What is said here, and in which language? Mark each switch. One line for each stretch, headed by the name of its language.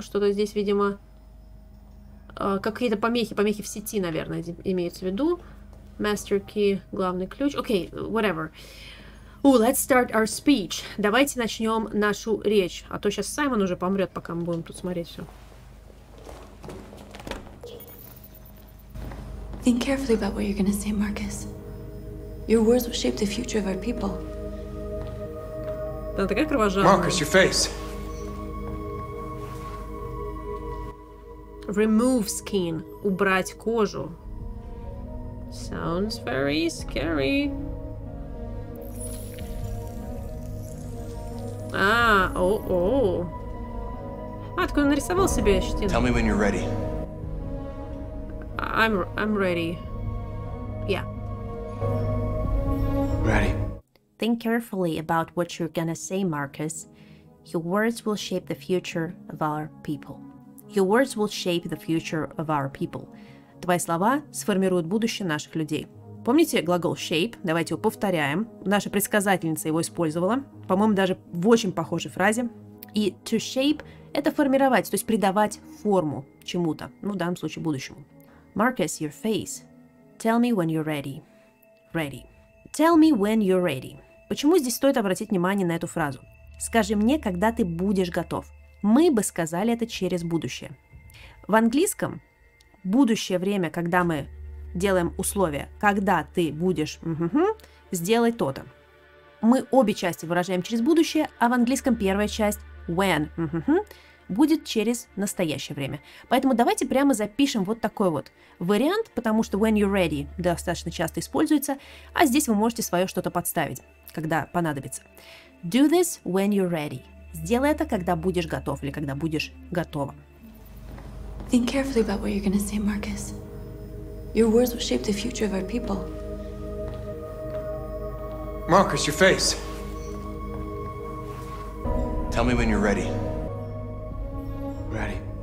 Russian: Что-то здесь, видимо, какие-то помехи. Помехи в сети, наверное, имеется в виду.
English: Master key,
Russian: главный ключ.
English: Okay, whatever. Ooh, let's start our speech.
Russian: Давайте начнем нашу речь. А то сейчас Саймон уже помрет, пока мы будем тут смотреть все.
English: Think carefully about what you're gonna say, Marcus. Your words will shape the future of our people.
Russian: Да, такая кровожадная.
English: Marcus, your face. Remove skin.
Russian: Убрать кожу.
English: Sounds very scary.
Russian: Откуда нарисовал себе щетину?
English: Tell me when you're ready. I'm ready. Yeah. Ready. Think carefully about what you're gonna say, Marcus. Your words will shape the future of our people. Your words will shape the future of our people.
Russian: Твои слова сформируют будущее наших людей. Помните глагол shape? Давайте его повторяем. Наша предсказательница его использовала. По-моему, даже в очень похожей фразе. И to shape – это формировать, то есть придавать форму чему-то. Ну, в данном случае будущему.
English: Marcus, your face. Tell me when you're ready. Ready. Tell me when you're ready.
Russian: Почему здесь стоит обратить внимание на эту фразу? Скажи мне, когда ты будешь готов. Мы бы сказали это через будущее. В английском будущее время, когда мы делаем условия, когда ты будешь сделай то-то. Мы обе части выражаем через будущее, а в английском первая часть when будет через настоящее время. Поэтому давайте прямо запишем вот такой вот вариант, потому что
English: when you're ready
Russian: достаточно часто используется, а здесь вы можете свое что-то подставить, когда понадобится.
English: Do this when you're ready.
Russian: Сделай это, когда будешь готов или когда будешь готова.
English: Think carefully about what you're gonna say, Marcus. Your words will shape the future of our people. Marcus, your face. Tell me when you're ready. Ready.